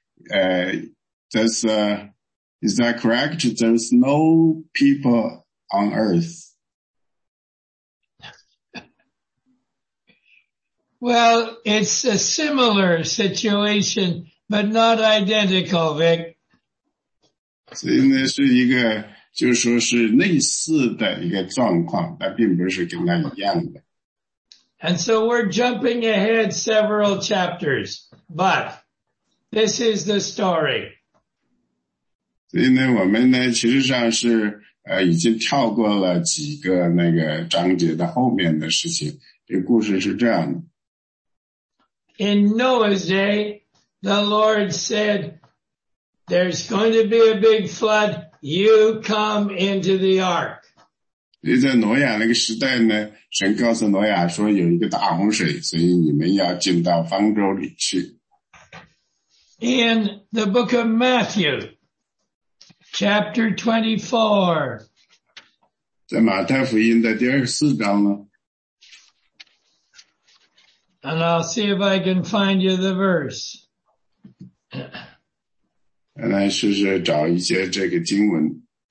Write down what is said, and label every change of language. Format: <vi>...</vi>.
<en>Is that correct? There's no people on earth. Well, it's a similar situation, but not identical, Vic.</en> <zh>所以呢，是一个，就是说是类似的一个状况，但并不是跟它一样的。</zh> <en>And so we're jumping ahead several chapters, but this is the story.</en> <zh>所以呢，我们呢，其实上是已经跳过了几个那个章节的后面的事情。这个故事是这样的。</zh> <en>In Noah's day, the Lord said, there's going to be a big flood, you come into the ark.</en> <zh>在挪亚那个时代呢，神告诉挪亚说有一个大洪水，所以你们要进到方舟里去。</zh> <en>In the book of Matthew, chapter 24.</en> <zh>在马太福音的第二十四章呢，</zh> <en>And I'll see if I can find you the verse.</en> <zh>来试试找一些这个经文。</zh>